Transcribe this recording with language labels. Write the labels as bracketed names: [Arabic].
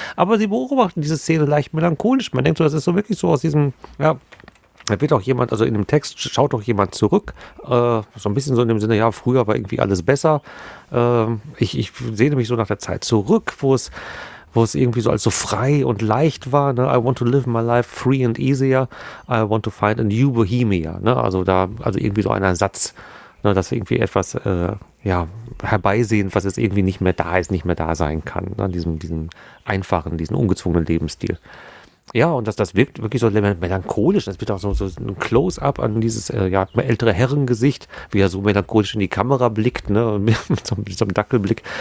[German] Aber sie beobachten diese Szene leicht melancholisch. Man denkt so, das ist so wirklich so aus diesem, ja, da wird auch jemand, also in dem Text schaut doch jemand zurück, so ein bisschen so in dem Sinne, ja, früher war irgendwie alles besser. Ich sehne mich so nach der Zeit zurück, wo es irgendwie so als so frei und leicht war, ne? [English] I want to live my life free and easier. I want to find a new Bohemia. [German] Ne? Also da, also irgendwie so ein Ersatz, ne? Dass irgendwie etwas herbeisehend, was jetzt irgendwie nicht mehr da ist, nicht mehr da sein kann. Ne? Diesen einfachen, diesen ungezwungenen Lebensstil. Ja, und das wirkt wirklich so melancholisch. Das wird auch so ein Close-up an dieses ältere Herrengesicht, wie er so melancholisch in die Kamera blickt, ne, mit so einem Dackelblick.